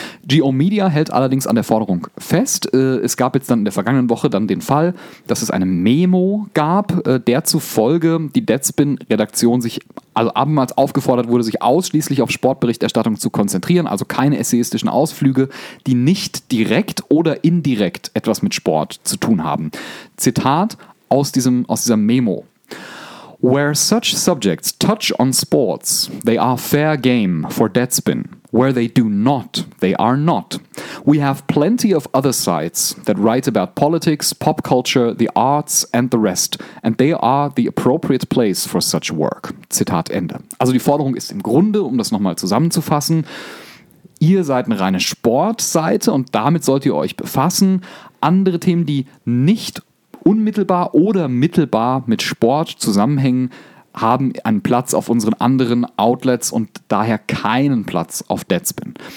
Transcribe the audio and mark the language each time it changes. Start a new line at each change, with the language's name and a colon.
German: GO Media hält allerdings an der Forderung fest. Es gab jetzt dann in der vergangenen Woche dann den Fall, dass es eine Memo gab, der zufolge die Deadspin-Redaktion abermals aufgefordert wurde, sich ausschließlich auf Sportberichterstattung zu konzentrieren, also keine essayistischen Ausflüge, die nicht direkt oder indirekt etwas mit Sport zu tun haben. Zitat aus dieser Memo.
English: Where such subjects touch on sports, they are fair game for Deadspin. Where they do not, they are not. We have plenty of other sites that write about politics, pop culture, the arts and the rest. And they are the appropriate place for such work.
German: Zitat Ende. Also die Forderung ist im Grunde, um das nochmal zusammenzufassen, ihr seid eine reine Sportseite und damit sollt ihr euch befassen. Andere Themen, die nicht unmittelbar oder mittelbar mit Sport zusammenhängen, haben einen Platz auf unseren anderen Outlets und daher keinen Platz auf Deadspin.